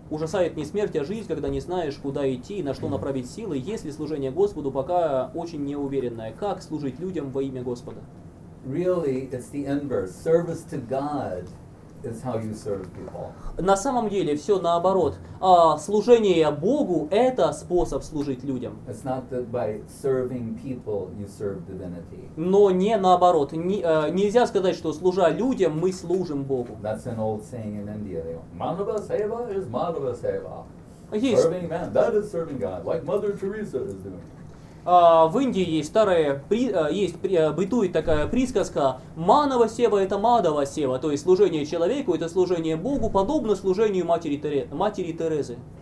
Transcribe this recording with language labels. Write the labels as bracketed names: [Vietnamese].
[Russian] ужасает не смерть, а жизнь, когда не знаешь, куда идти, на что направить силы, если служение Господу пока очень неуверенное. Как служить людям во имя Господа? [English] Really, it's the inverse. Service to God is how you serve people. [Russian] На самом деле, все наоборот. Служение Богу — это способ служить людям. [English] It's not that by serving people you serve divinity. [Russian] Но не наоборот. Нельзя сказать, что служа людям, мы служим Богу. [English] That's an old saying in India. Madhava seva is madhava seva. [Russian] Есть. [English] Serving man, that is serving God, like Mother Teresa is doing. [Russian] В Индии есть старая, бытует такая присказка: «Манава сева – это мадава сева», то есть служение человеку – это служение Богу, подобно служению матери Терезы.